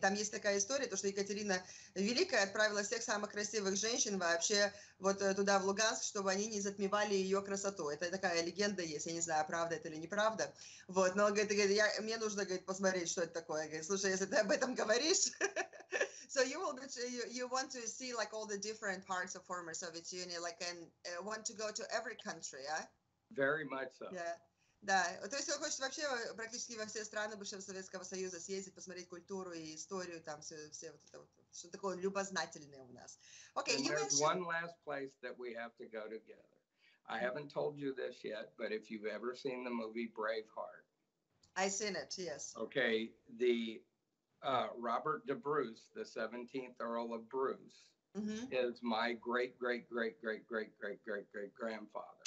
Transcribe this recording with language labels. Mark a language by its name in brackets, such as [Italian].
[Russian] И там есть такая история, то, что Екатерина Великая отправила всех самых красивых женщин вообще вот туда, в Луганск, чтобы они не затмевали ее красоту. Это такая легенда есть. Я не знаю, правда это или неправда. Вот. Но мне нужно посмотреть, что это такое. Говорит, слушай, если ты об этом говоришь... [English] So you want to see like all the different parts of former Soviet Union, like, and want to go to every country, yeah? Very much so. Yeah. Да. [Russian] То есть он хочет вообще практически во все страны бывшего Советского Союза съездить, посмотреть культуру и историю там, все вот это вот, что такое любознательное у нас. [English] Okay. And there's one last place that we have to go together. I haven't told you this yet, but if you've ever seen the movie Braveheart. I've seen it. Yes. Okay. The Robert de Bruce, the 17th Earl of Bruce, mm-hmm. is my great, great, great, great, great, great, great, great grandfather.